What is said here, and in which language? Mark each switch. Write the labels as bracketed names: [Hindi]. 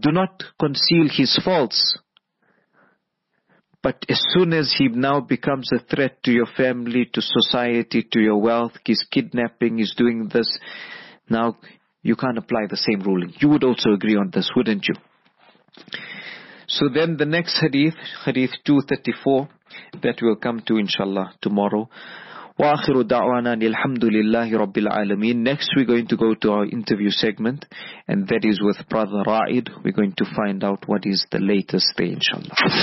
[English] Do not conceal his faults. But as soon as he now becomes a threat to your family, to society, to your wealth, he's kidnapping, he's doing this, now you can't apply the same ruling. You would also agree on this, wouldn't you? So then the next hadith, hadith 234, that we'll come to inshallah tomorrow. [Arabic] وآخر دعوانا الحمد لله رب العالمين. [English] Next we're going to go to our interview segment, and that is with Brother Ra'id. We're going to find out what is the latest day, inshallah.